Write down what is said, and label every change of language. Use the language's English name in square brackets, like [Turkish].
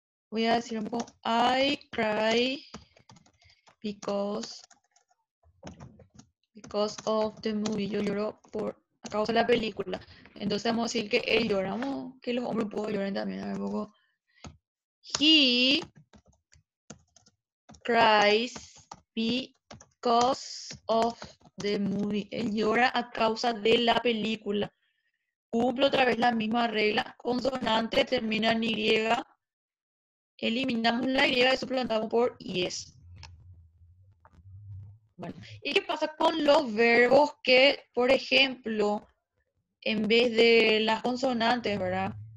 [Spanish] Voy a decir un poco, [English] I cry because of the movie. [Spanish] Yo lloro por a causa de la película. Entonces vamos a decir que él llora, que los hombres pueden llorar también. A ver, un poco. [English] He cries because of the movie. [Spanish] Él llora a causa de la película. Cumple otra vez la misma regla. Consonante termina en Y. Eliminamos la idea y suplantamos por IES. Bueno, ¿y qué pasa con los verbos que, por ejemplo, en vez de las consonantes, ¿verdad?